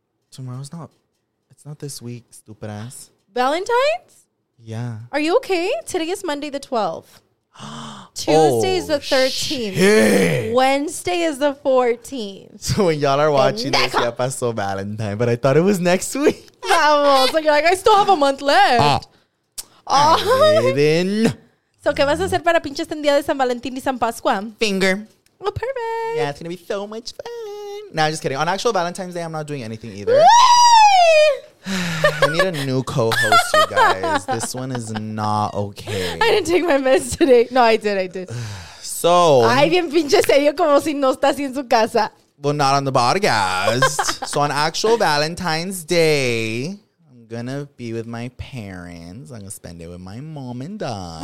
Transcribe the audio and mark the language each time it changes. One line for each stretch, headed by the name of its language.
English: Tomorrow's not. It's not this week, stupid ass. Valentine's? Yeah. Are you okay? Today is Monday the 12th. Tuesday is the 13th. Shit. Wednesday is the 14th. So when y'all are watching this, yeah, pasó Valentine, but I thought it was next week. Vamos. Like, you're like, I still have a month left.
Spanish: So, ¿qué vas a hacer para pinches en día de San Valentín y San Pascua?
English: Finger. Well, perfect. Yeah, it's going to be so much fun. No, just kidding. On actual Valentine's Day, I'm not doing anything either. We need a new co-host, you guys. This one is not okay. I didn't take my meds today. No, I did. I did. So.
Spanish: Ay, bien pinche serio, como si no está así en su casa.
English: Well, not on the podcast. So on actual Valentine's Day, I'm going to be with my parents. I'm going to spend it with my mom and dad.